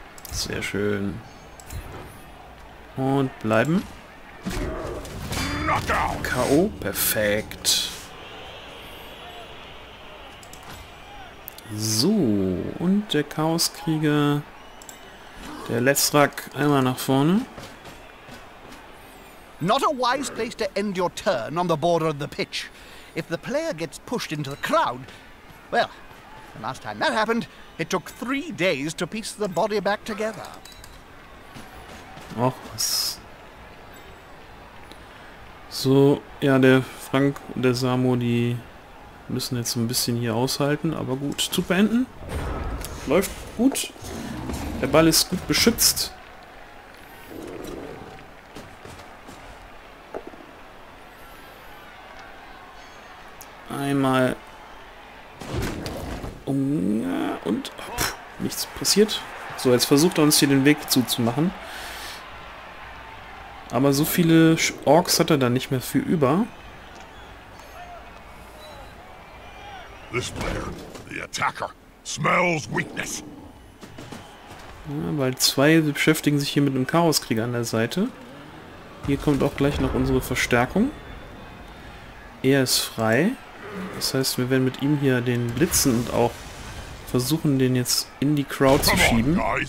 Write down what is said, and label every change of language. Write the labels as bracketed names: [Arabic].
[German] Sehr schön. Und bleiben. K.O. Perfekt. So, und der Chaoskrieger, der Letzrak, einmal nach vorne. [English] Not a wise place to end your turn on the border of the pitch. If the player gets pushed into the crowd, well, the last time that happened, it took 3 days to piece the body back together. [German] Och, was. So, ja, der Frank und der Samu, die müssen jetzt ein bisschen hier aushalten, aber gut, zu beenden. Läuft gut. Der Ball ist gut beschützt. Einmal. Und pff, nichts passiert. So, jetzt versucht er uns hier den Weg zuzumachen. Aber so viele Orks hat er da nicht mehr viel über. [English] This player, the attacker, smells weakness. [German] Ja, weil zwei beschäftigen sich hier mit einem Chaoskrieger an der Seite. Hier kommt auch gleich noch unsere Verstärkung. Er ist frei. Das heißt, wir werden mit ihm hier den blitzen und auch versuchen, den jetzt in die Crowd zu schieben.